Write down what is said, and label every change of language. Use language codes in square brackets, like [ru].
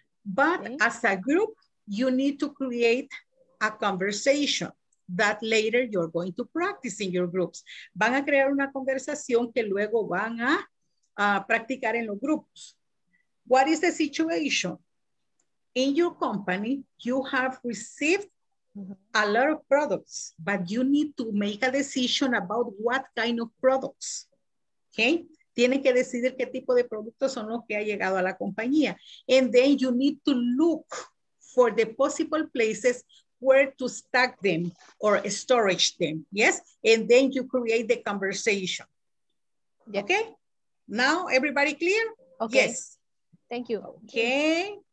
[en] But okay, as a group, you need to create a conversation that later you're going to practice in your groups. [es] Van a crear una conversación que luego van a practicar en los grupos. [en] What is the situation? In your company, you have received a lot of products, but you need to make a decision about what kind of products, okay? [es] Tienen que decidir qué tipo de productos son los que ha llegado a la compañía. [en] And then you need to look for the possible places where to stack them or storage them, yes? And then you create the conversation. Yes. Okay? Now, everybody clear? Okay. Yes. Thank you. Okay.